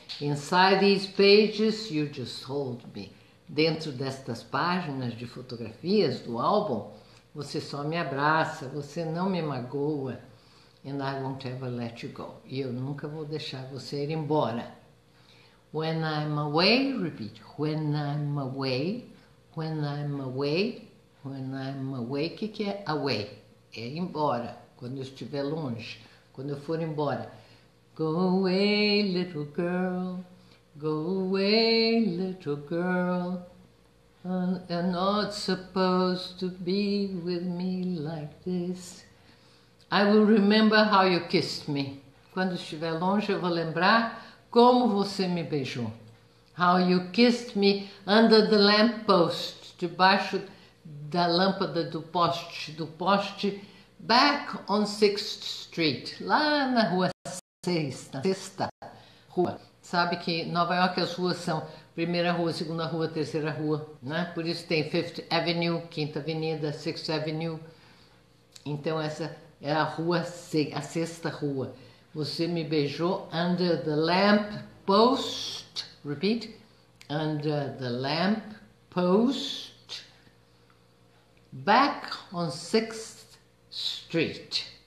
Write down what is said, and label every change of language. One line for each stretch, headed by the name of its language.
English: Inside these pages, you just hold me.
Portuguese: Dentro destas páginas de fotografias do álbum, você só me abraça, você não me magoa.
English: And I won't ever let you go.
Portuguese: E eu nunca vou deixar você ir embora.
English: When I'm away, repeat. When I'm away. When I'm away, When I'm away,
Portuguese: o que é
English: away?
Portuguese: É embora, quando eu estiver longe, quando eu for embora.
English: Go away, little girl. Go away, little girl. You're not supposed to be with me like this. I will remember how you kissed me.
Portuguese: Quando estiver longe, eu vou lembrar como você me beijou.
English: How you kissed me under the lamp post,
Portuguese: debaixo da lâmpada do poste,
English: back on 6th Street,
Portuguese: lá na rua 6, na sexta rua. Sabe que em Nova York as ruas são primeira rua, segunda rua, terceira rua, né? Por isso tem Fifth Avenue, Quinta Avenida, Sixth Avenue. Então essa é a rua 6, a sexta rua. Você me beijou
English: under the lamp post. Repeat. Under the lamp post, back on 6th Street.